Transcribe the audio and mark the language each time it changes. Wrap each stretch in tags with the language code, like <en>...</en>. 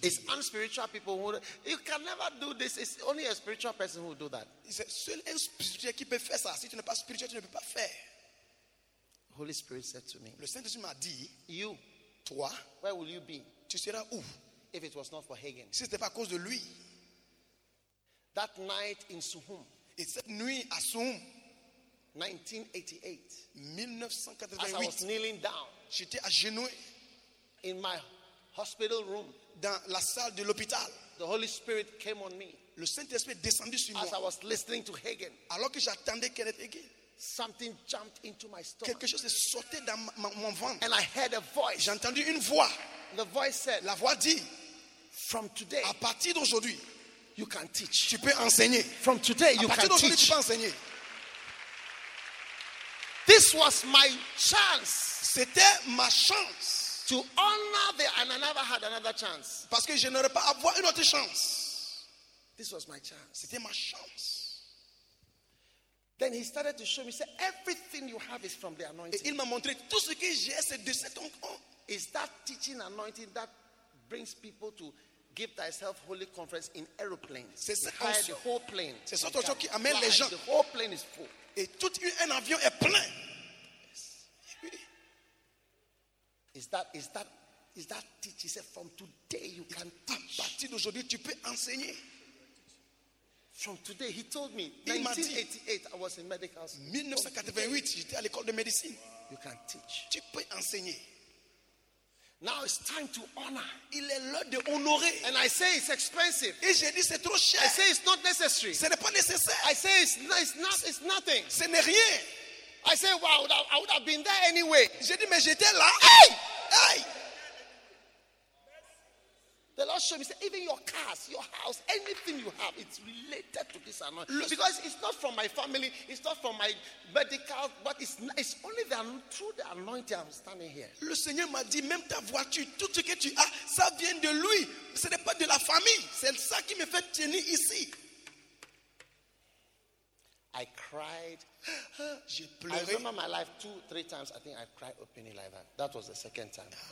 <en>It's unspiritual people who you can never do this. It's only a spiritual person who do that.</en> <fr>C'est seul un spirituel qui peut faire ça. Si tu n'es pas spirituel, tu ne peux pas faire.</fr> <en>Holy Spirit said to me.</en> <fr>Le Saint-Esprit m'a dit.</fr> <en>You.</en> <fr>Toi.</fr> <en>Where will you be?</en> <fr>Tu seras où?</fr> <en>If it was not for Hagen.</en> <fr>Si c'était pas à cause de lui.</fr> <en>That night in Suhum.</en> <fr>Et cette nuit à Suhum.</fr> <en>1988. As I was kneeling down.</en> <fr>J'étais à genoux.</fr> <en>In my hospital room,</en> <fr>dans la salle de l'hôpital,</fr> <en>the Holy Spirit came on me.</en> <fr>Le Saint-Esprit descendu sur moi.</fr> <en>As I was listening to Hagen,</en> <fr>alors que j'attendais Kenneth Hagen,</fr> <en>something jumped into my stomach.</en> <fr>Quelque chose est sauté dans mon ventre.</fr> <en>And I heard a voice.</en> <fr>J'ai entendu une voix.</fr> <en>The voice said,</en> <fr>la voix dit,</fr> <en>from today,</en> <fr>à partir d'aujourd'hui,</fr> <en>you can teach.</en> <fr>Tu peux enseigner.</fr> <en>From today, you</en> <fr>à partir d'aujourd'hui,</fr> <en>teach.</en> <fr>Tu peux enseigner.</fr> <en>This was my chance.</en> <fr>C'était ma chance.</fr> <en>To honor the and I never had another chance.</en> <fr>Parce que je n'aurais pas avoir une autre chance.</fr> <en>This was my chance.</en> <fr>C'était ma chance.</fr> <en>Then he started to show me. Say everything you have is from the anointing.</en> <fr>Et il m'a montré tout ce que j'ai, c'est de cet onction.</fr> <en>Is that teaching anointing that brings people to give thyself holy conference in aeroplanes?</en> <fr>C'est cette onction.</fr> <en>The whole plane.</en> <fr>C'est cette onction qui amène les gens.</fr> <en>The whole plane is full.</en> <fr>Et tout un avion est plein.</fr> <en>Is that teach? He said, from today you can teach.</en> <fr>À partir d'aujourd'hui, tu peux enseigner.</fr> <en>From today, he told me. 1988, I was in medical school.</en> <fr>1988, j'étais à l'école de médecine.</fr> <en>You can teach.</en> <fr>Tu peux enseigner.</fr> <en>Now it's time to honor.</en> <fr>Il est l'heure de honorer.</fr> <en>And I say it's expensive.</en> <fr>Et j'ai dit c'est trop cher.</fr> <en>I say it's not necessary.</en> <fr>Ce n'est pas nécessaire.</fr> <en>I say it's nothing.</en> <fr>Ce n'est rien.</fr> <en>I said, wow, well, I would have been there anyway.</en> <fr>J'ai dit, mais j'étais là. Hey! Hey!</fr> <en>The Lord showed me, said, even your cars, your house, anything you have, it's related to this anointing. Because it's not from my family, it's not from my medical, but it's only through the anointing I'm standing here.</en> <fr>Le Seigneur m'a dit, même ta voiture, tout ce que tu as, ça vient de lui. Ce n'est pas de la famille. C'est ça qui me fait tenir ici.</fr> <en>I cried.</en> <fr>J'ai pleuré.</fr> <en>I remember my life 2-3 times. I think I cried openly like that. That was the second time.</en>